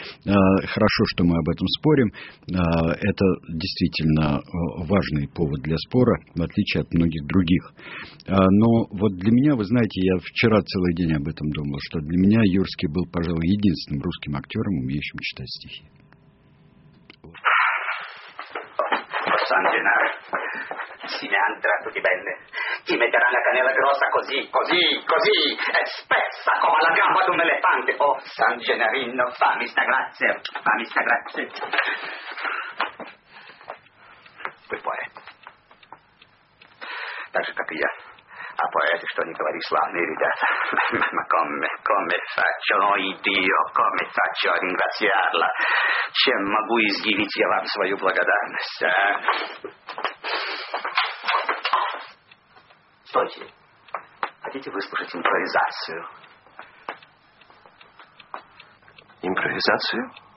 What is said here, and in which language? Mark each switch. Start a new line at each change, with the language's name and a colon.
Russian: Хорошо, что мы об этом спорим. Это действительно важный повод для спора, в отличие от многих других. Но вот для меня, вы знаете, я вчера целый день об этом думал, что для меня Юрский был, пожалуй, единственным русским актером, умеющим читать стихи.
Italian: Сан-Денар, si ne andrà tutti bene. Ti metterà la canela grossa così, così, così, e spezza come la gamba di un elefante. Oh, San-Denarino, fammi sta grazia, fammi sta grazia.
Russian: Вы поэт. Так же, как и я. А поэты, что ни говори, славные ребята.
Italian: Ma come, come faccio, oh Dio, come faccio a ringraziarla?
Russian: Чем могу изъявить я вам свою благодарность, а? Стойте. Хотите выслушать импровизацию? Импровизацию?